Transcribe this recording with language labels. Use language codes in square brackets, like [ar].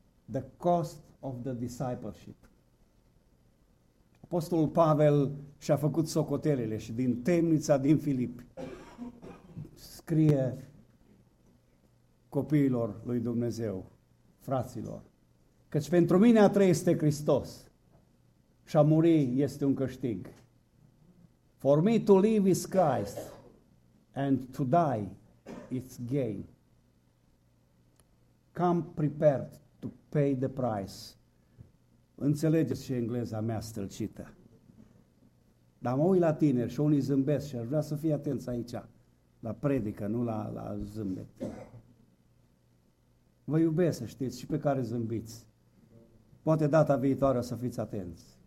[en] The cost of the discipleship. [ro] Apostolul Pavel și-a făcut socotelele și din temnița din Filipi scrie copiilor lui Dumnezeu, fraților, căci pentru mine a trăit este Hristos și a muri este un câștig. [en] For me to live is Christ and to die it's gain. Come prepared to pay the price. [ro] Înțelegeți și engleza mea stâlcită. Dar mă uit la tineri și unii zâmbesc și aș vrea să fii atenți aici. La predică, nu la zâmbet. Vă iubesc, să știți, și pe care zâmbiți. Poate data viitoare o să fiți atenți.